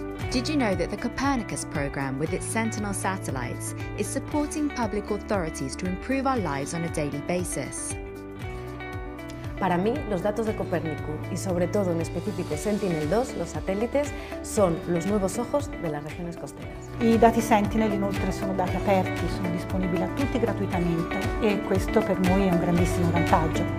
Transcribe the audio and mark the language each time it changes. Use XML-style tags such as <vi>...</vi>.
<en>Did you know that the Copernicus program, with its Sentinel satellites, is supporting public authorities to improve our lives on a daily basis?</en> <es>Para mí, los datos de Copernicus y sobre todo en específico Sentinel-2, los satélites, son los nuevos ojos de las regiones costeras.</es> <it>I dati Sentinel inoltre sono dati aperti, sono disponibili a tutti gratuitamente e questo per noi è un grandissimo vantaggio.</it>